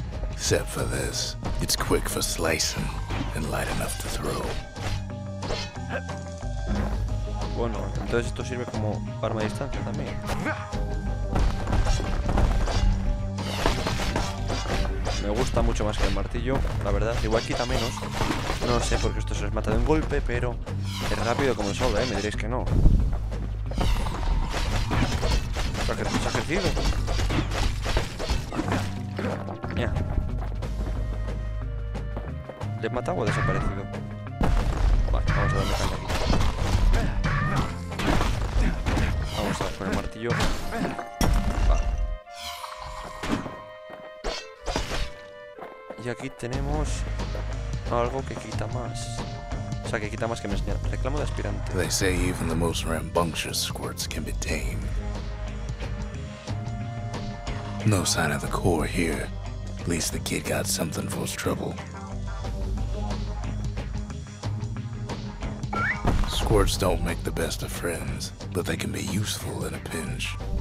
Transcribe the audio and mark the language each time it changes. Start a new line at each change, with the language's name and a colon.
English: Except for this, it's quick for slicing and light enough to throw.
Spanish: Bueno, entonces esto sirve como arma de distancia también. Me gusta mucho más que el martillo, la verdad. Igual quita menos. No sé por qué esto se les mata de un golpe, pero es rápido como el sol, me diréis que no. ¿Se ha crecido? Ya. ¿Le he matado o ha desaparecido? Vale, vamos a darle caña aquí. Vamos a poner martillo. Vale. Y aquí tenemos algo que quita más. O sea, que quita más que me enseñar. Reclamo de aspirante.
English: They say even the most rambunctious squirts can be tamed. No sign of the core here. At least the kid got something for his trouble. Squirts don't make the best of friends, but they can be useful in a pinch.